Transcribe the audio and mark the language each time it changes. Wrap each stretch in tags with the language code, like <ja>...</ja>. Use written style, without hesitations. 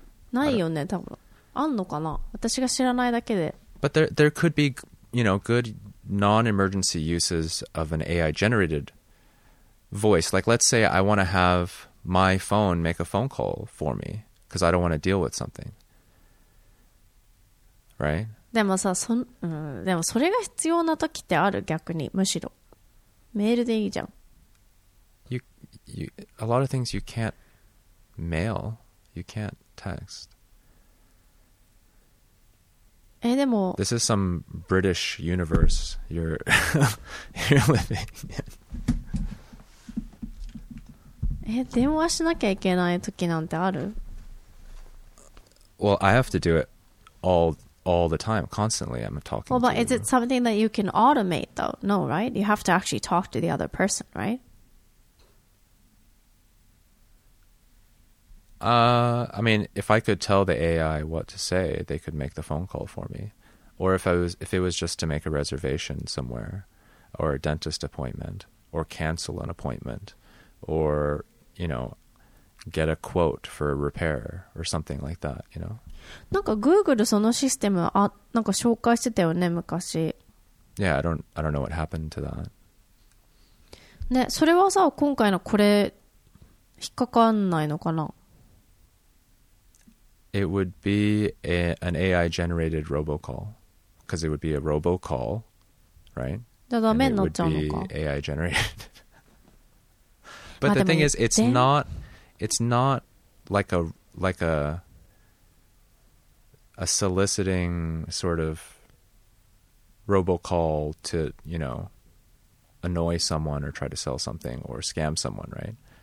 <ja>ないよね、多分。あんのかな？私が知らないだけで。</ja> <en>But there could be, you know, good non-emergency uses of an AI-generated voice. Like, let's say I want to have my phone make a phone call for me because I don't want to deal with something. Right?</en> <ja>でもさ、でもそれが必要な時ってある、逆に、むしろ。メールでいいじゃん。</ja> <en>You, you, a lot of things you can't mail, you can't text.</en> <ja>でも...</ja> <en>This is some British universe you're you're living in.</en> <ja>電話しなきゃいけない時なんてある?</ja> <en>Well, I have to do it all the time, constantly. I'm talking. Well, but is it something that you can automate, though? No, right? You have to actually talk to the other person, right? I mean, if I could tell the AI what to say, they could make the phone call for me. Or if it was just to make a reservation somewhere, or a dentist appointment, or cancel an appointment, or you know, get a quote for a repair or something like that, you know?</en> <ja>なんか Google そのシステムあ、なんか紹介してたよね、昔。</ja> <en>Yeah, I don't know what happened to that.</en> <ja>ね、それはさ、今回のこれ、引っかかんないのかな?</ja> <en>It would be an AI-generated robocall. Because it would be a robocall, right?</en> <ja>じゃあダメになっちゃうのか?</ja> <en>And it would be AI-generated. But the thing is, it's not like a soliciting sort of robocall to, you know, annoy someone or try to sell something or scam someone, right?</en>